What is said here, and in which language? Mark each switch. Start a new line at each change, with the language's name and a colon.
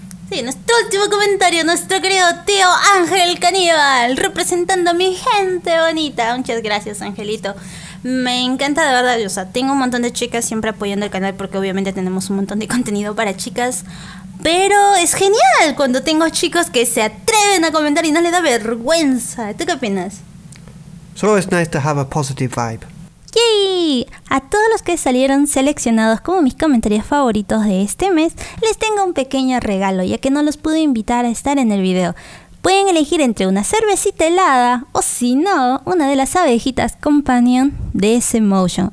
Spanish: Sí, nuestro último comentario, nuestro querido tío Ángel Caníbal, representando a mi gente bonita. Muchas gracias, Angelito. Me encanta, de verdad. O sea, tengo un montón de chicas siempre apoyando el canal porque obviamente tenemos un montón de contenido para chicas. Pero es genial cuando tengo chicos que se atreven a comentar y no les da vergüenza. ¿Tú qué opinas?
English: So it's nice to have a positive vibe. ¡Yay!
Spanish: A todos los que salieron seleccionados como mis comentarios favoritos de este mes, les tengo un pequeño regalo, ya que no los pude invitar a estar en el video. Pueden elegir entre una cervecita helada o, si no, una de las abejitas companion de ese motion.